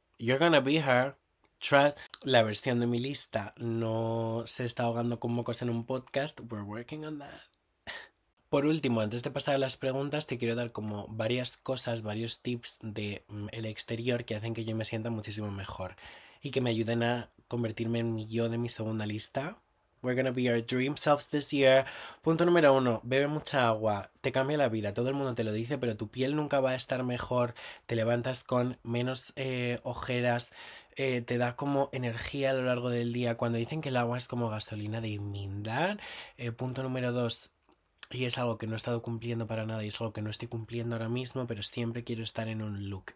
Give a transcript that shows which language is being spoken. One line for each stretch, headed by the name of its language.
English: You're gonna be her. Try.
Spanish: La versión de mi lista no se está ahogando con mocos en un podcast.
English: We're working on that.
Spanish: Por último, antes de pasar a las preguntas, te quiero dar como varias cosas, varios tips de el exterior que hacen que yo me sienta muchísimo mejor y que me ayuden a convertirme en mi yo de mi segunda lista
English: We're gonna be our dream selves this year.
Spanish: Punto número uno, bebe mucha agua. Te cambia la vida. Todo el mundo te lo dice, pero tu piel nunca va a estar mejor. Te levantas con menos ojeras. Te da como energía a lo largo del día. Cuando dicen que el agua es como gasolina de Imindad. Punto número dos, y es algo que no he estado cumpliendo para nada y es algo que no estoy cumpliendo ahora mismo, pero siempre quiero estar en un look.